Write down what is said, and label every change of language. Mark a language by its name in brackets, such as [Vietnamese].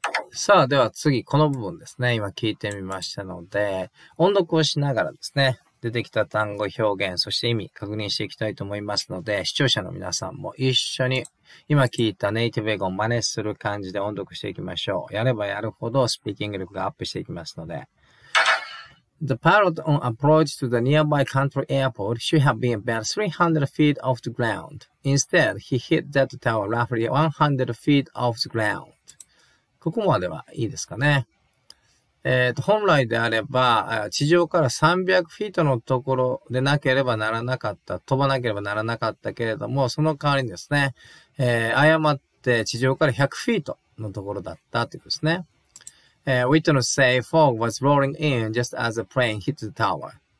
[Japanese] さあ、では次、この部分ですね。今聞いてみましたので、音読をしながらですね、出てきた単語表現、そして意味、確認していきたいと思いますので、視聴者の皆さんも一緒に、今聞いたネイティブ英語を真似する感じで音読していきましょう。やればやるほど、スピーキング力がアップしていきますので。 [English] The pilot on approach to the nearby country airport should have been about 300 feet off the ground. Instead, he hit that tower roughly 100 feet off the ground. [Japanese] ここまではいいですかね。本来であれば、地上から300フィートのところでなければならなかった、飛ばなければならなかったけれども、その代わりにですね、誤って地上から100フィートのところだったということですね。 [English] Witness say fog was rolling in just as the plane hit the tower.